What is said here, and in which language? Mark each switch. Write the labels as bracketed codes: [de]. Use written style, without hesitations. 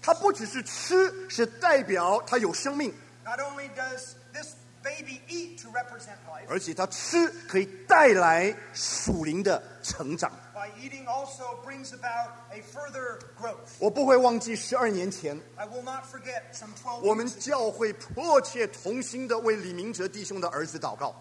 [zh] 它不只是吃，是代表它有生命。 [en] Not only does this baby eat to represent life, [zh] 而且它吃可以带来属灵的成长。 [en] By eating also brings about a further growth. [zh] 我不会忘记十二年前。 [en] I will not forget some 12 years ago. [zh] 我们教会迫切同心地为李明哲弟兄的儿子祷告。